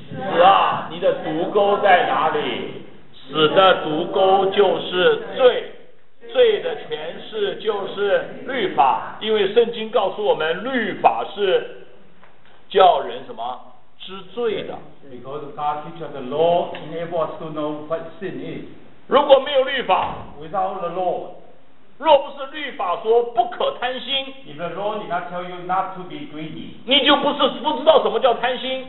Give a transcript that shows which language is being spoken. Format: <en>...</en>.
<zh>死啊，你的毒钩在哪里？死的毒钩就是罪，罪的权势就是律法，因为圣经告诉我们，律法是叫人什么知罪的。</zh> <en>Because God teaches the law enables to know what sin is.</en> <zh>如果没有律法</zh> <en>，without the law，</en> <zh>若不是律法说不可贪心</zh> <en>，if the law did not tell you not to be greedy，</en> <zh>你就不知道什么叫贪心。</zh>